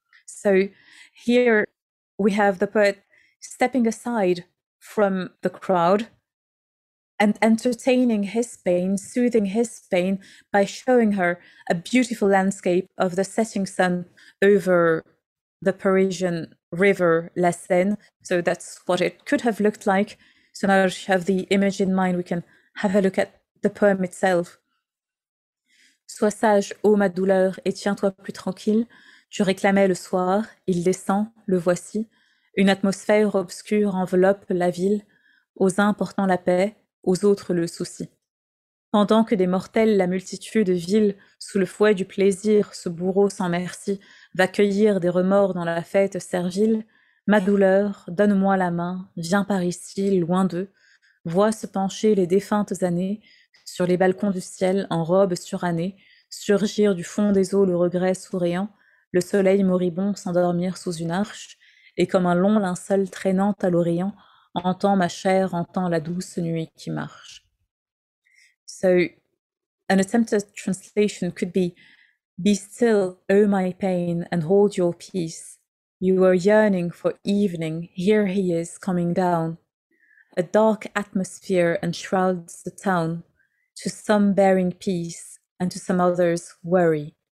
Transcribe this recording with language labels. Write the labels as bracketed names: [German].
[English] So here we have the poet stepping aside from the crowd and entertaining his pain, soothing his pain by showing her a beautiful landscape of the setting sun over the Parisian river, La Seine. So that's what it could have looked like. So now that you have the image in mind, we can have a look at the poem itself. [French] Sois sage, ô ma douleur, et tiens-toi plus tranquille. Tu réclamais le soir, il descend, le voici. Une atmosphère obscure enveloppe la ville, aux uns portant la paix, aux autres le souci. Pendant que des mortels, la multitude vile, sous le fouet du plaisir, ce bourreau sans merci, va cueillir des remords dans la fête servile, ma douleur, donne-moi la main, viens par ici, loin d'eux, vois se pencher les défuntes années, sur les balcons du ciel, en robe surannée, surgir du fond des eaux le regret souriant, le soleil moribond s'endormir sous une arche, et comme un long linceul traînant à l'Orient, entend ma chair, entend la douce nuit qui marche. [English] So, an attempted translation could be still, O my pain, and hold your peace. You were yearning for evening, here he is coming down. A dark atmosphere enshrouds the town, to some bearing peace, and to some others worry.